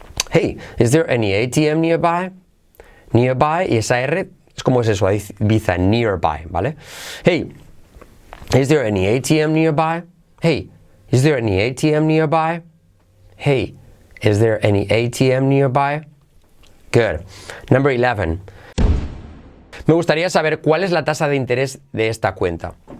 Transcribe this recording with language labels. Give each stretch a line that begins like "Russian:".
English: Hey, is there any ATM nearby?
Spanish: Nearby, y esa R es como se suaviza, nearby, ¿vale?
English: Hey, is there any ATM nearby? Hey, is there any ATM nearby? Hey, is there any ATM nearby? Good. Number 11.
Spanish: Me gustaría saber cuál es la tasa de interés de esta cuenta.